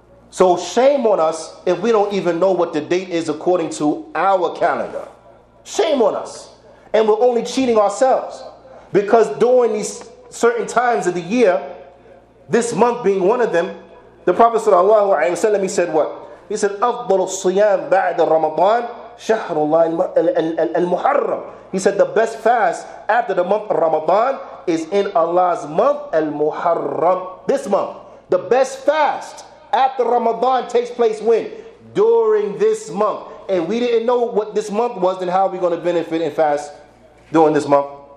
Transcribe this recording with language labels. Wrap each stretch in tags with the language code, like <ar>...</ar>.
<en>So shame on us if we don't even know what the date is according to our calendar. Shame on us. And we're only cheating ourselves. Because during these certain times of the year, this month being one of them, the Prophet sallallahu alaihi wasallam, he said what? He said,</en> <ar>أَفْضَلُ الصِّيَامِ بَعْدَ رَمَضَانِ شَهْرُ اللَّهِ الْمُحَرَّمِ.</ar> <en>He said the best fast after the month Ramadan is in Allah's month, Al-Muharram. This month, the best fast after Ramadan takes place when? During this month. And we didn't know what this month was, then how are we going to benefit and fast during this month?</en>